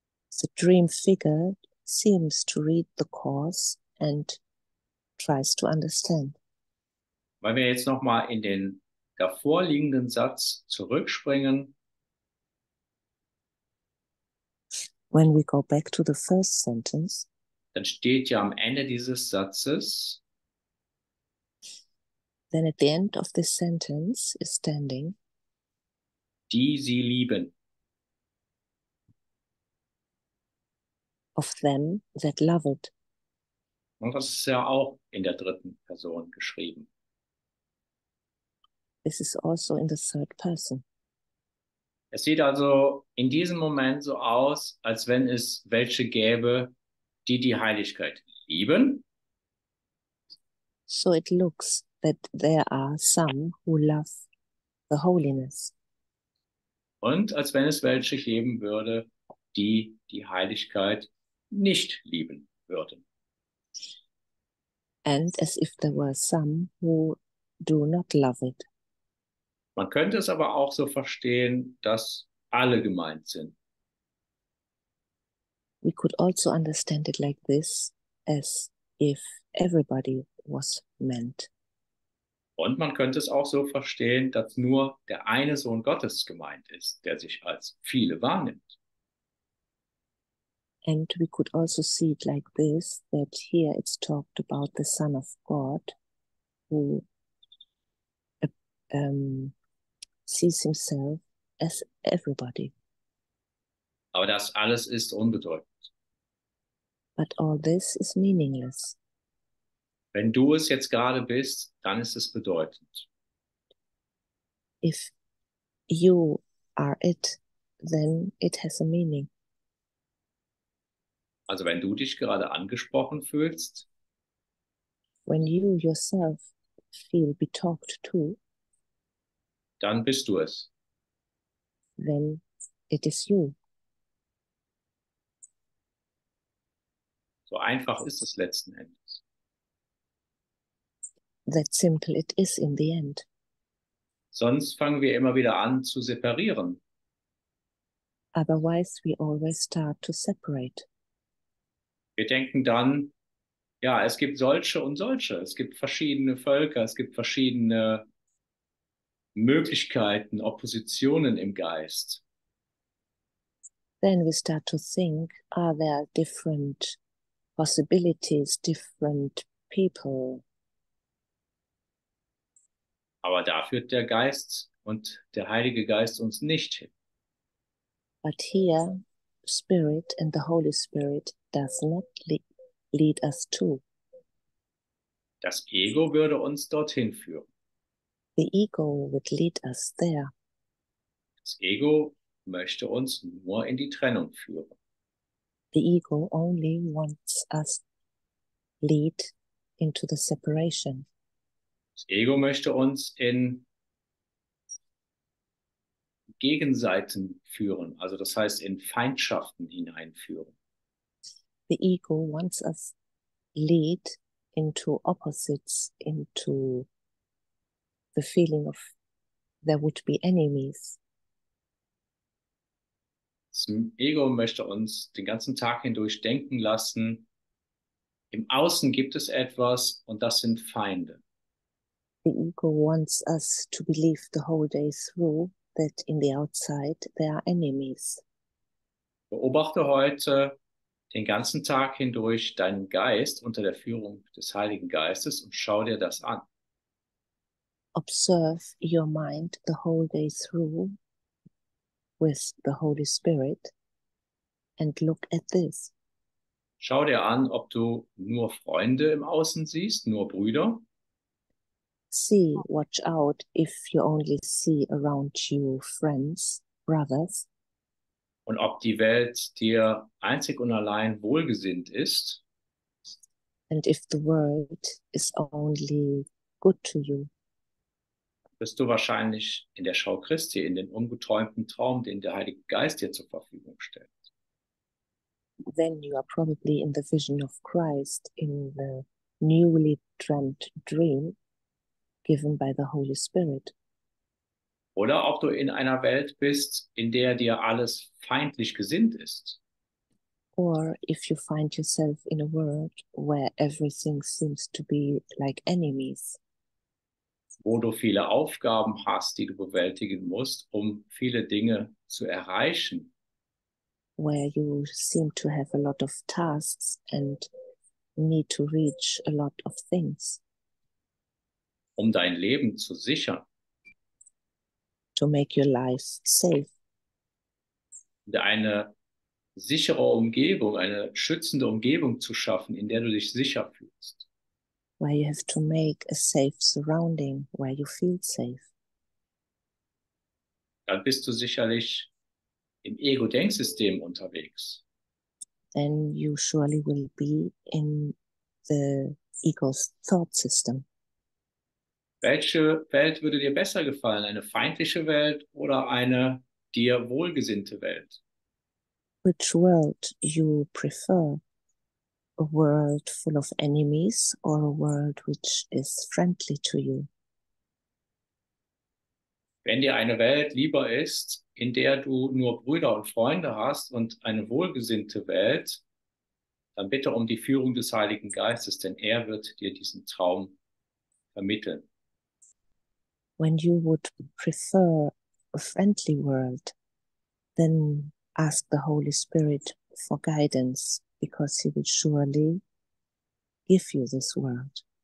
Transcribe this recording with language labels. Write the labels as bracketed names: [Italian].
[English] The dream figure seems to read the course and tries to understand. [German] Wenn wir jetzt nochmal in den davorliegenden Satz zurückspringen. [English] When we go back to the first sentence, [German] dann steht ja am Ende dieses Satzes. [English] Then at the end of this sentence is standing. [German] Die sie lieben. [English] Of them that love it. [German] Und das ist ja auch in der dritten Person geschrieben. [English] This is also in the third person. [German] Es sieht also in diesem Moment so aus, als wenn es welche gäbe, die die Heiligkeit lieben. [English] So it looks that there are some who love the holiness. [German] Und als wenn es welche geben würde, die die Heiligkeit nicht lieben würden. [English] and as if there were some who do not love it. [German] Man könnte es aber auch so verstehen, dass alle gemeint sind. [English] We could also understand it like this, as if everybody was meant. [German] Und man könnte es auch so verstehen, dass nur der eine Sohn Gottes gemeint ist, der sich als viele wahrnimmt. [English] And we could also see it like this, that here it's talked about the Son of God, who sees himself as everybody. [German] Aber das alles ist unbedeutend. [English] But all this is meaningless. [German] Wenn du es jetzt gerade bist, dann ist es bedeutend. [English] If you are it, then it has a meaning. [German] Also wenn du dich gerade angesprochen fühlst, [English] when you yourself feel be talked to, [German] dann bist du es. [English] Then it is you. [German] So einfach ist es letzten Endes. [English] That simple it is in the end. [German] Sonst fangen wir immer wieder an zu separieren. [English] Otherwise we always start to separate. [German] Wir denken dann, ja, es gibt solche und solche. Es gibt verschiedene Völker, es gibt verschiedene Möglichkeiten, Oppositionen im Geist. [English] Then we start to think, are there different possibilities, different people? [German] Aber da führt der Geist und der Heilige Geist uns nicht hin. [English] But here, Spirit and the Holy Spirit does not lead us to. [German] Das Ego würde uns dorthin führen. [English] The ego would lead us there. [German] Das Ego möchte uns nur in die Trennung führen. [English] The ego only wants us lead into the separation. [German] Das Ego möchte uns in Gegenseiten führen, also das heißt in Feindschaften hineinführen. [English] The ego wants us lead into opposites, into the feeling of there would be enemies. [German] Das Ego möchte uns den ganzen Tag hindurch denken lassen, im Außen gibt es etwas und das sind Feinde. [English] The ego wants us to believe the whole day through that in the outside there are enemies. [German] Beobachte heute den ganzen Tag hindurch deinen Geist unter der Führung des Heiligen Geistes und schau dir das an. [English] Observe your mind the whole day through with the Holy Spirit and look at this. [German] Schau dir an, ob du nur Freunde im Außen siehst, nur Brüder. [English] See, watch out if you only see around you friends, brothers. [German] Und ob die Welt dir einzig und allein wohlgesinnt ist. [English] And if the world is only good to you. [German] Bist du wahrscheinlich in der Schau Christi, in den ungeträumten Traum, den der Heilige Geist dir zur Verfügung stellt. [English] Then you are probably in the vision of Christ, in the newly dreamt dream given by the Holy Spirit. [German] Oder ob du in einer Welt bist, in der dir alles feindlich gesinnt ist. [English] Or if you find yourself in a world where everything seems to be like enemies. [German] Wo du viele Aufgaben hast, die du bewältigen musst, um viele Dinge zu erreichen. [English] Where you seem to have a lot of tasks and need to reach a lot of things. [German] Um dein Leben zu sichern. [English] To make your life safe. [German] Eine sichere Umgebung, eine schützende Umgebung zu schaffen, in der du dich sicher fühlst. [English] Where you have to make a safe surrounding, where you feel safe. [German] Dann bist du sicherlich im Ego-Denksystem unterwegs. [English] Then you surely will be in the ego's thought system. [German] Welche Welt würde dir besser gefallen, eine feindliche Welt oder eine dir wohlgesinnte Welt? [English] Which world you prefer? a world full of enemies or a world which is friendly to you? [German] Wenn dir eine Welt lieber ist, in der du nur Brüder und Freunde hast und eine wohlgesinnte Welt, dann bitte um die Führung des Heiligen Geistes, denn er wird dir diesen Traum vermitteln. [English] When you would prefer a friendly world, then ask the Holy Spirit for guidance, because he will surely give you this world.